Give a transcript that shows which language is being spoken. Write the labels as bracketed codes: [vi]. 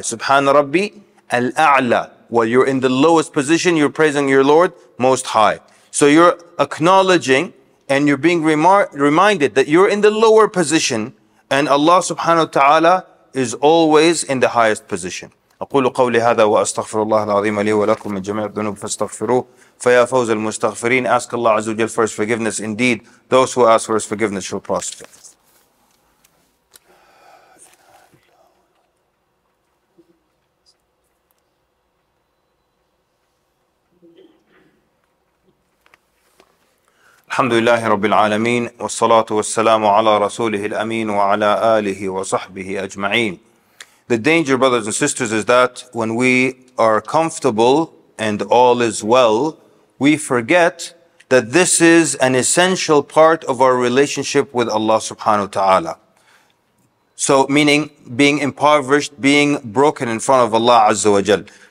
[en] Subhan Rabbi al-A'la. While you're in the lowest position, you're praising your Lord Most High. So you're acknowledging and you're being reminded that you're in the lower position and Allah subhanahu wa ta'ala is always in the highest position. [ar] أقول قولي هذا وأستغفر الله العظيم لي ولكم من جميع الذنوب فاستغفروه فيا فوز المستغفرين. [en] Ask Allah [ar] عز وجل [en] for His forgiveness. Indeed, those who ask for His forgiveness shall prosper. [ar] الحمد لله رب العالمين والصلاة والسلام على رسوله الأمين وعلى آله وصحبه أجمعين. [en] The danger, brothers and sisters, is that when we are comfortable and all is well, we forget that this is an essential part of our relationship with Allah subhanahu wa ta'ala. So, meaning being impoverished, being broken in front of Allah azza wa jal.